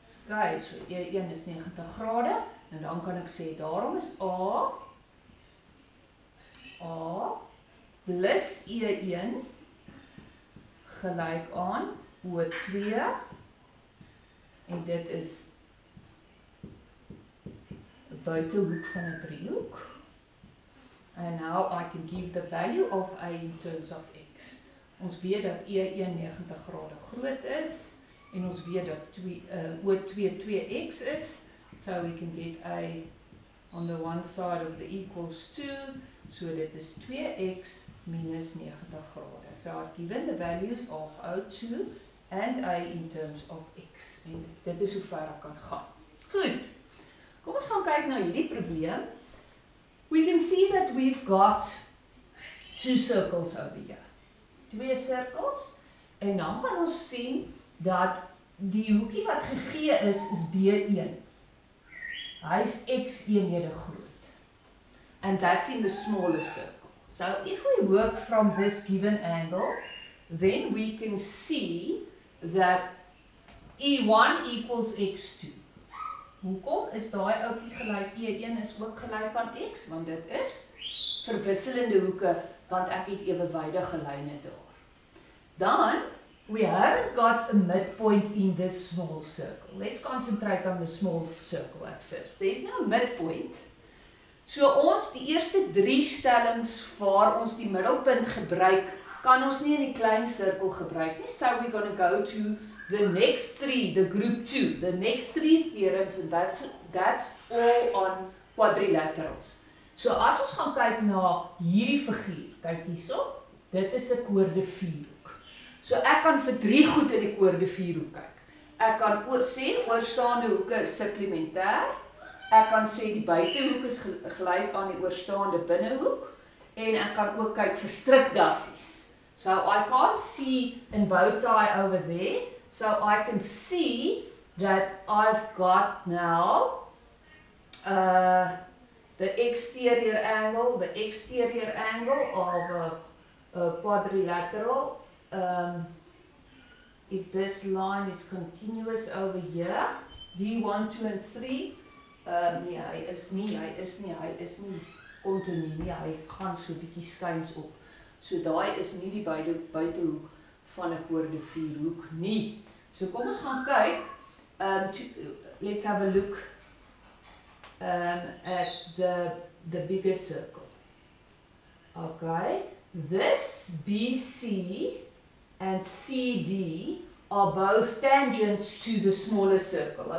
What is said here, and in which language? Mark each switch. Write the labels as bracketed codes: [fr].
[af] Okay, so E1 is 90 grade, en dan kan ek sê, daarom is A plus E1 gelyk aan O2, en dit is buitehoek van 'n driehoek. [en] And now I can give the value of A in terms of X. [af] Ons weet dat E1 90 grade groot is. En ons weet dat O2 2X is. [en] So we can get A on the one side of the equals 2. [af] So dit is 2X minus 90 grade. [en] So I've given the values of O2 and A in terms of X. [af] En dit is hoe ver ek kan gaan. Goed. Kom ons gaan kyk na hierdie probleem. [en] We can see that we've got two circles over here. [af] Twee circles. En dan kan ons sien dat die hoekie wat gegee is, is B1. Hy is X eenhede groot. [en] And that's in the smaller circle. So if we work from this given angle, then we can see that E1 equals X2. [af] Hoekom is daai ookie gelyk E1 is ook gelyk aan X, want dit is verwisselende hoeke, want ek het ewewydige lyne daar. Dan [en] We haven't got a midpoint in this small circle. Let's concentrate on the small circle at first. There's no midpoint. [af] So ons die eerste drie stellings waar ons die middelpunt gebruik, kan ons nie in die klein sirkel gebruik nie. [en] So we're going to go to the next three, the group two, the next three theorems, and that's all on quadrilaterals. [af] So as ons gaan kyk na hierdie figuur, kyk hierso, dit is 'n koorde vierhoek. So ek kan vir drie goed in die koorde vierhoek kyk. Ek kan sê oorstaande hoeke is supplementêr. Ek kan sê die buitehoek is gelyk aan die oorstaande binnehoek en ek kan ook kyk vir strikdassies. [en] So I can't see in bowtie over there. So I can see that I've got now the exterior angle, of a quadrilateral. If this line is continuous over here, [af] D1, 2 and 3, nee, hy is nie continu nie, hy gaan so bietjie skuins op. So daai is nie die buitehoek van 'n koorde vierhoek nie. So kom ons gaan kyk. [en] Let's have a look at the bigger circle. Okay, this BC and CD are both tangents to the smaller circle.